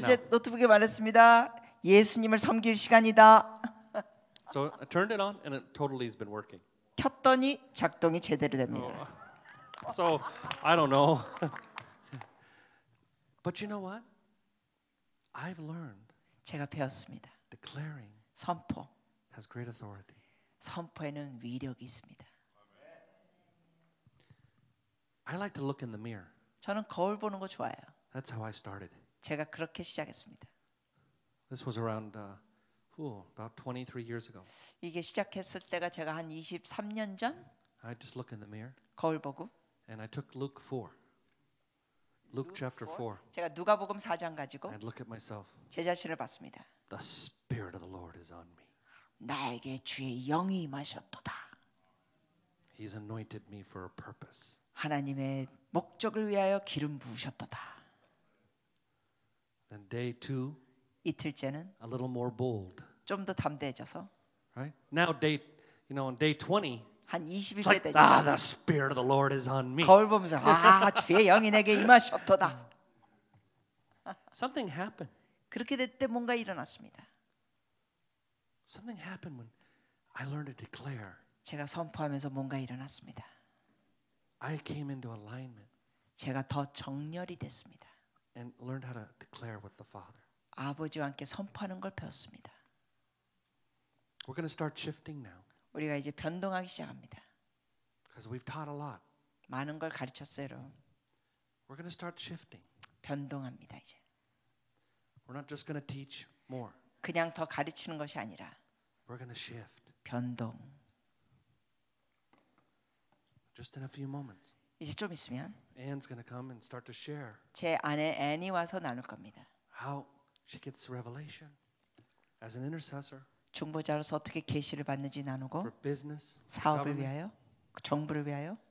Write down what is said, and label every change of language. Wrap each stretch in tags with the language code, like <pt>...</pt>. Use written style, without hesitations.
<ko>그래서 노트북에 말했습니다. 예수님을 섬길 시간이다.</ko> <en>So I turned it on and it totally has been working.</en> <ko>켰더니 작동이 제대로 됩니다.</ko> <en>So I don't know. But you know what? I've learned.</en> <ko>제가 배웠습니다.</ko> <en>Declaring</en> <ko>선포</ko> <en>has great authority.</en> <ko>선포에는 위력이 있습니다.</ko> <en>I like to look in the mirror.</en> <ko>저는 거울 보는 거 좋아해요.</ko> <en>That's how I started.</en> <ko>제가 그렇게 시작했습니다.</ko> <en>This was around about 23 years ago.</en> <ko>이게 시작했을 때가 제가 한 23년 전.</ko> <en>I just look in the mirror.</en> <ko>거울 보고.</ko> <en>And I took Luke 4. Luke chapter 4.</en> <ko>제가 누가복음 4장 가지고.</ko> <en>And look at myself.</en> <ko>제 자신을 봤습니다.</ko> <en>The Spirit of the Lord is on me.</en> <ko>나에게 주의 영이 임하셨도다.</ko> <en>He's anointed me for a purpose.</en> <ko>하나님의 목적을 위하여 기름 부으셨도다.</ko> <en>Then day two,</en> <ko>이틀째는</ko> <en>a little more bold,</en> <ko>좀 더 담대해져서.</ko> <en>Right now, day, you know, on day 20,</en> <ko>한 21세 like, 됐지.</ko> <en>Ah, the spirit of the Lord is on me.</en> <ko>거울 보면서 아, 주의 영이 내게 임하셨도다.</ko> <en>Something happened.</en> <ko>그렇게 됐대 뭔가 일어났습니다.</ko> <en>Something happened when I learned to declare.</en> <ko>제가 선포하면서 뭔가 일어났습니다.</ko> <en>I came into alignment.</en> <ko>제가 더 정렬이 됐습니다.</ko> <en>And learned how to declare with the Father.</en> <ko>아버지와 함께 선포하는 걸 배웠습니다.</ko> <en>We're going to start shifting now.</en> <ko>우리가 이제 변동하기 시작합니다.</ko> <en>Because we've taught a lot.</en> <ko>많은 걸 가르쳤어요, 여러분.</ko> <en>We're going to start shifting.</en> <ko>변동합니다, 이제.</ko> <en>We're not just going to teach more.</en> <ko>그냥 더 가르치는 것이 아니라.</ko> <en>We're going to shift.</en> <ko>변동.</ko> <en>Just in a few moments.</en> <ko>이제 좀 있으면.</ko> <en>Anne's going to come and start to share.</en> <ko>제 아내 앤이 와서 나눌 겁니다.</ko> <en>How she gets revelation as an intercessor.</en> <ko>중보자로서 어떻게 계시를 받는지 나누고</ko> <en>business,</en> <ko>사업을 위하여 정부를 위하여</ko>